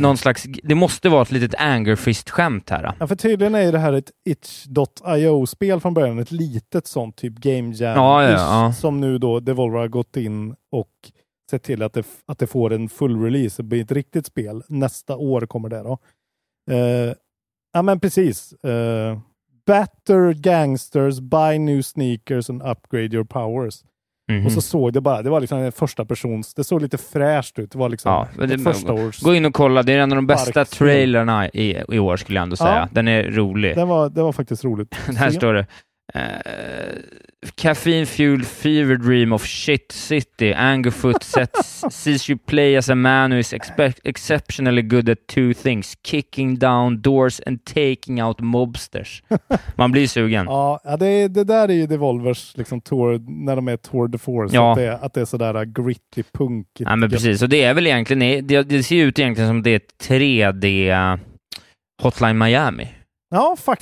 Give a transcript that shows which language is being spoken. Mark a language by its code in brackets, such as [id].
[sv] Någon slags, det måste vara ett litet Angerfist-skämt här. Ja, för tydligen är det här ett itch.io-spel från början. Ett litet sånt typ game jam. Ja, ja, ja. Som nu då Devolver har gått in och sett till att det får en full release. Det blir ett riktigt spel. Nästa år kommer det då. Ja, men precis. [en] Better gangsters, buy new sneakers and upgrade your powers. [sv] Mm-hmm. Och så såg det bara, det var liksom en första persons, det såg lite fräscht ut, det var liksom, ja, det, första års. Gå in och kolla, det är en av de bästa trailerna i år skulle jag ändå säga. Ja. Den är rolig. Den var faktiskt roligt. Här står det. [en] Caffeine fuel fever dream of shit city. Angerfoot sees you play as a man who is exceptionally good at two things. Kicking down doors and taking out mobsters. [sv] Man blir sugen. Ja, det där är ju Devolvers liksom tour, när de är tour de force. Ja. Att det är sådär gritty punk. Ja, men precis. Och det är väl egentligen, det ser ju ut egentligen som det är 3D Hotline Miami. Ja, faktiskt.